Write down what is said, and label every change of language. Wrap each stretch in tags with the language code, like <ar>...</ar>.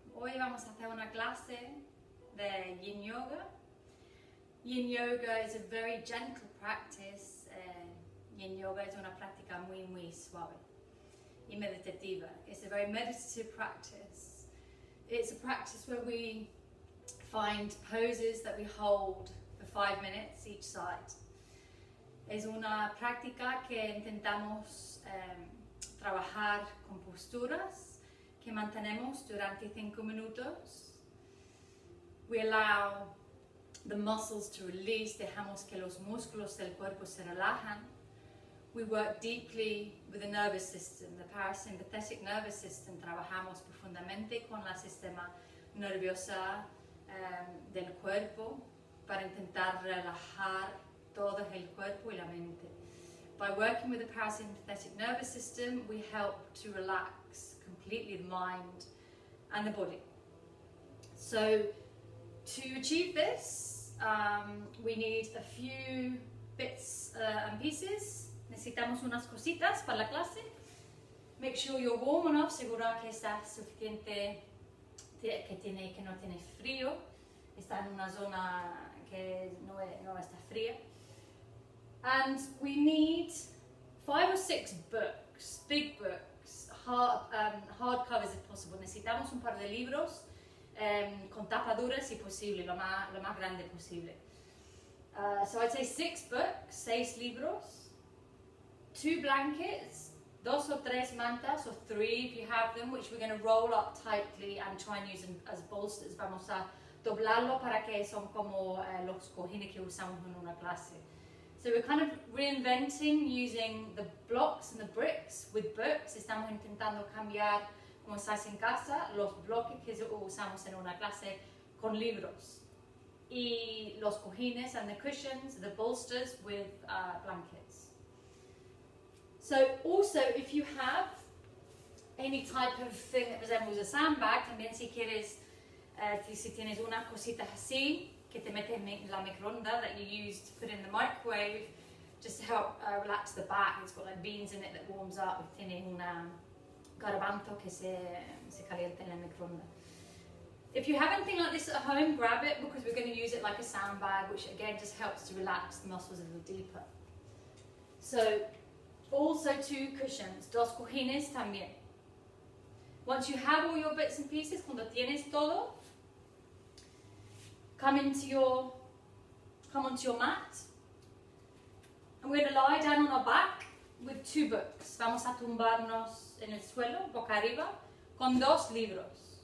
<es>Hoy vamos a hacer una clase de Yin Yoga.</es> <en>Yin Yoga is a very gentle practice.</en> <es>Yin Yoga es una práctica muy muy suave y meditativa.</es> <en>It's a very meditative practice. It's a practice where we find poses that we hold for 5 minutes each side.</en> <es>Es una práctica que intentamos trabajar con posturas que mantenemos durante 5 minutos.</es> <en>We allow the muscles to release,</en> <es>dejamos que los músculos del cuerpo se relajan.</es> <en>We work deeply with the nervous system, the parasympathetic nervous system.</en> <es>Trabajamos profundamente con el sistema nervioso del cuerpo para intentar relajar todo el cuerpo y la mente.</es> <en>By working with the parasympathetic nervous system, we help to relax completely the mind and the body. So to achieve this, we need a few bits and pieces.</en> <es>Necesitamos unas cositas para la clase.</es> <en>Make sure you're warm enough,</en> <es>segura que estás suficiente, que no tienes frío. Está en una zona que no está fría.</es> <en>And we need 5 or 6 books, big books, hard covers if possible.</en> <es>Necesitamos un par de libros con tapaduras si posible, lo más grande posible.</es> <en>So I'd say 6 books,</en> <es>6 libros,</es> <en>2 blankets, 2 or 3 mantas, or 3 if you have them, which we're going to roll up tightly and try and use them as bolsters.</en> <es>Vamos a doblarlo para que son como los cojines que usamos en una clase.</es> <en>So we're kind of reinventing using the blocks and the bricks with books.</en> <es>Estamos intentando cambiar, como estáis en casa, los bloques que usamos en una clase con libros. Y los cojines</es> <en>and the cushions, the bolsters with blankets. So also, if you have any type of thing that resembles a sandbag,</en> <es>también si quieres, si tienes una cosita así, que te metes en la microonda</es> <en>that you use to put in the microwave just to help relax the back. It's got like beans in it that warms up.</en> <es>Tiene una garbanzo que se calienta en la microonda.</es> <en>If you have anything like this at home, grab it because we're going to use it like a sandbag, which again just helps to relax the muscles a little deeper. So also 2 cushions,</en> <es>2 cojines también.</es> <en>Once you have all your bits and pieces,</en> <es>cuando tienes todo,</es> <en>come onto your mat, and we're going to lie down on our back with 2 books.</en> <es>Vamos a tumbarnos en el suelo, boca arriba, con 2 libros.</es>